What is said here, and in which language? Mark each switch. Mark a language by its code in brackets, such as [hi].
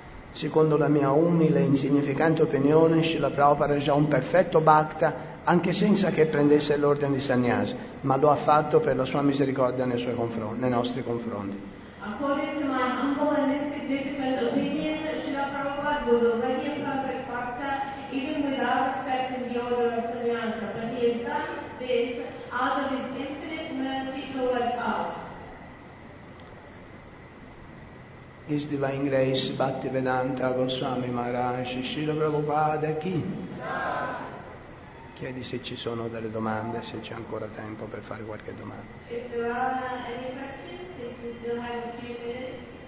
[it] Secondo la mia umile e insignificante opinione, Srila Prabhupada era già un perfetto bhakta, anche senza che prendesse l'ordine di Sannyasi, ma lo ha fatto per la sua misericordia nei suoi confronti, nei nostri confronti. [en] According to my humble and insignificant opinion, Srila Prabhupada was already a perfect bhakta, even without accepting the order of Sannyasi, but he has done this out of his infinite mercy towards us. His Divine Grace, Bhaktivedanta Goswami Maharaj, Srila Prabhupada, [it] chi? Chiedi se ci sono delle domande, se c'è ancora tempo per fare qualche domanda. [en] If there are any questions, if we still have a few minutes.